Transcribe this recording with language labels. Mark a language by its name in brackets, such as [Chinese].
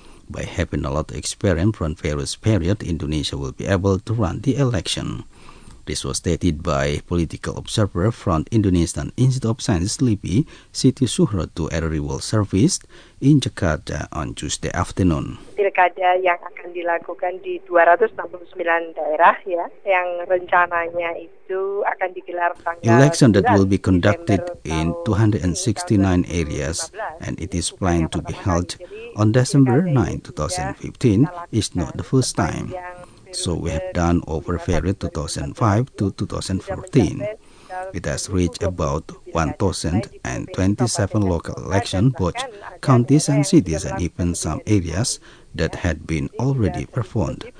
[English] By having a lot of experience from various periods, Indonesia will be able to run the election. This was stated by political observer from Indonesian Institute of Science LIPI, Siti Suhro, to RRI World Service in Jakarta on Tuesday afternoon. [Indonesian] Pilkada yang akan dilakukan di 269 daerah ya, yang rencananya itu akan digelar tanggal [English] election that will be conducted in 269 areas and it is planned to be held on December 9, 2015 is not the first time. So we have done over February 2005 to 2014. It has reached about 1,027 local elections, both counties and cities, and even some areas that had been already performed.